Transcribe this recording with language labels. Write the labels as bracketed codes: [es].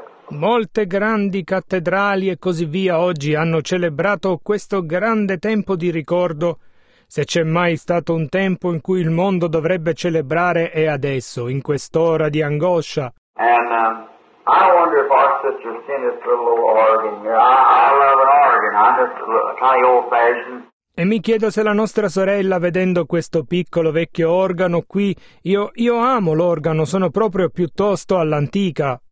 [it] Molte grandi cattedrali e così via oggi hanno celebrato questo grande tempo di ricordo. Se c'è mai stato un tempo in cui il mondo dovrebbe celebrare è adesso, in quest'ora di angoscia. [en] And I wonder if our sister sent this little organ here. I love an organ. I'm just kind of old fashioned. [it] E mi chiedo se la nostra sorella, vedendo questo piccolo vecchio organo qui, io amo l'organo, sono proprio piuttosto all'antica.